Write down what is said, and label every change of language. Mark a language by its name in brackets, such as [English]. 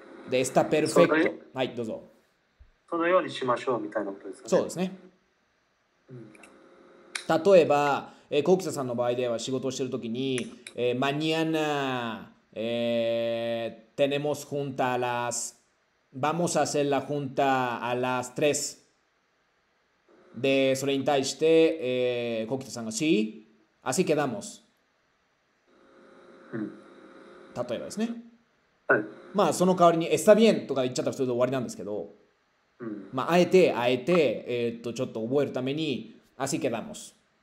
[Japanese] で、está perfecto。はい、どうぞ。そのようにしましょうみたいなことですかね。そうですね。例えば、コウキサさんの場合では仕事をしているときに、 [Spanish] mañana、tenemos junta a las... Vamos a hacer la junta a las 3. [Japanese] De それに対して、コキタさんが、 [Spanish] sí, así quedamos.、 [Japanese] うん、例えばですね。はい。まあ、その代わりに、está bien とか言っちゃったらそれで終わりなんですけど、うん、まあ、あえて、ちょっと覚えるために、 [Spanish] así quedamos.